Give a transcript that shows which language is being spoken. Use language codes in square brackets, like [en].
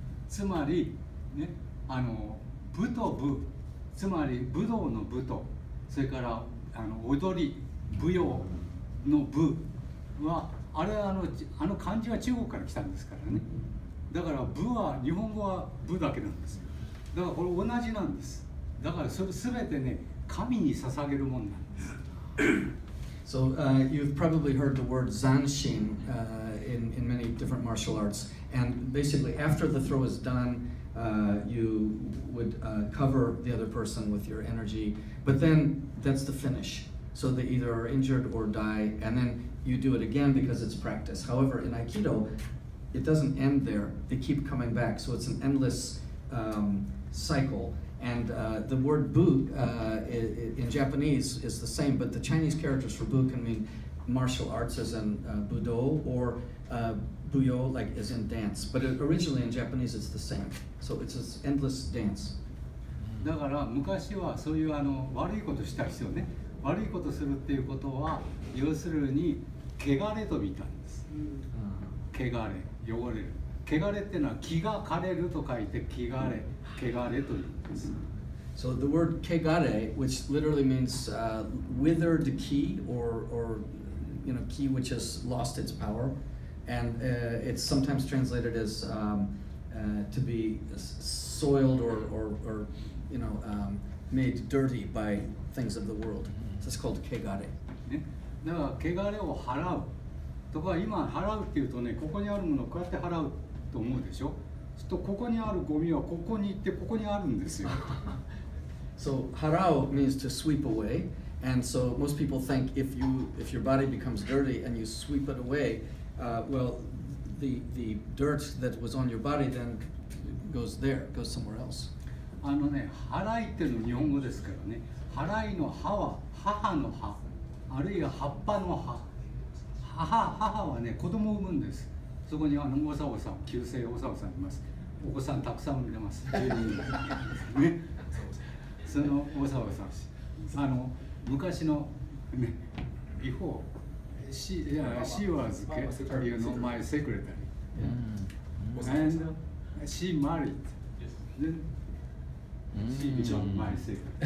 [ja] つまり、ね、あの武と武、つまり武道の武と、それからあの踊り、舞踊の武は、あれはあの漢字は中国から来たんですからね。だから武は、日本語は武だけなんです。だからこれ同じなんです。だからそれ全てね、神に捧げるもんなんです。 [en] So you've probably heard the word zanshin in many different martial arts. And basically after the throw is done, you would cover the other person with your energy. But then that's the finish. So they either are injured or die. And then you do it again because it's practice. However, in Aikido, it doesn't end there. They keep coming back. So it's an endless cycle. And the word Bu in Japanese is the same, but the Chinese characters for Bu can mean martial arts as in Budo, or Buyo like as in dance. But originally in Japanese it's the same. So it's this endless dance. [ja] だから昔はそういうあの悪いことした人ね、悪いことするっていうことは要するに汚れと見たんです。汚れ、汚れる。汚れっていうのは気が枯れると書いて汚れ、汚れと言うんです。 [en] So the word kegare, which literally means withered ki or you know ki which has lost its power, and it's sometimes translated as to be soiled or you know made dirty by things of the world. So it's called kegare. [ja] だから汚れを払うとか、今払うっていうとね、ここにあるものをこうやって払う。と思うでしょ。するとここにあるゴミはここに行ってここにあるんですよ。 [en] So harau means to sweep away, and so most people think if your body becomes dirty and you sweep it away, well, the dirt that was on your body then goes there, goes somewhere else. [ja] あのね、払いっていうの日本語ですからね。払いの歯は母の歯、あるいは葉っぱの歯。母はね、子供を産むんです。そこにあのおさおさん、旧姓おさおさんいます。お子さんたくさん産んでます。 10人ね、そのおさおさん、あの昔のね、 [en] before she [ja] いや [en] she was secretary [ja] の前 [en] secretary、and she married、then she became my secretary。